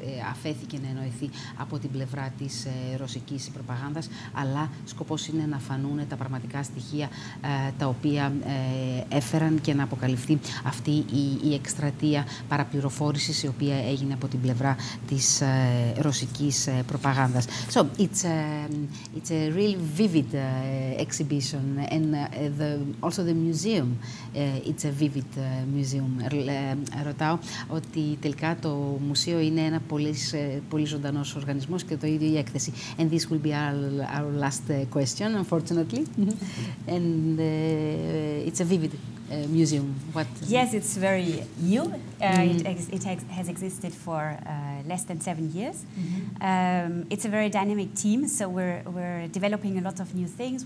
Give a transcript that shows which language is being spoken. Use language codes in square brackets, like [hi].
[el] αφέθηκε να εννοηθεί από την πλευρά της ρωσικής προπαγάνδας, αλλά σκοπός είναι να φανούν τα πραγματικά στοιχεία τα οποία έφεραν και να αποκαλυφθεί αυτή η εκστρατεία παραπληροφόρησης η οποία έγινε από την πλευρά της ρωσικής προπαγάνδας. [en] So, it's a really vivid exhibition, and also the museum, it's a vivid museum. [el] Ρωτάω ότι τελικά το μουσείο είναι ένα πολύ ζωντανός οργανισμός και το ίδιο η έκθεση. [en] And this will be our last question, unfortunately. And it's a vivid museum. What? Yes, it's very new. It has existed for less than 7 years. Mm-hmm. It's a very dynamic team, so we're developing a lot of new things.